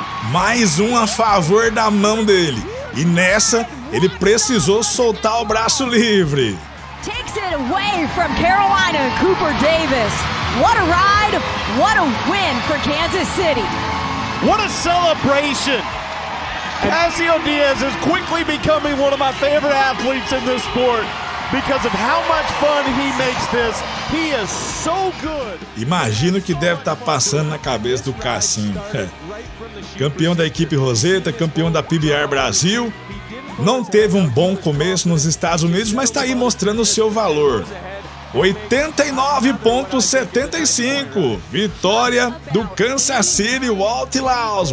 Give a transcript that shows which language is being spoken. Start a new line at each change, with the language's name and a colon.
Portuguese: mais um a favor da mão dele. E nessa, ele precisou soltar o braço livre.
English: Takes it away from Carolina, Cooper Davis. What a ride, what a win for Kansas City. What a celebration. Passio Diaz is quickly becoming one of my favorite athletes in this sport because of how much fun he makes this. He is so good.
Portuguese: Imagina o que deve estar passando na cabeça do Cassinho. Campeão da equipe Roseta, campeão da PBR Brasil. Não teve um bom começo nos Estados Unidos, mas está aí mostrando o seu valor. 89.75, vitória do Kansas City Outlaws.